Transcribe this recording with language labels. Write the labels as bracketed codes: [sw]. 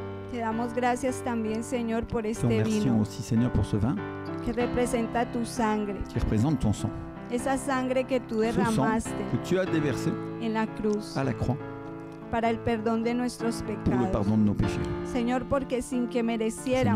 [es] Te damos gracias también, Señor, por este vino. [fr] Remercions aussi, Seigneur, pour ce vin. [es] Que representa tu sangre. [fr] Qui représente ton sang. [es] Esa sangre que tú derramaste. [fr] Que tu as déversé. [es] En la cruz. [fr] À la croix. [es] Para el perdón de nuestros pecados. [fr] Pour le pardon de nos péchés. [es] Señor, porque sin que mereciéramos.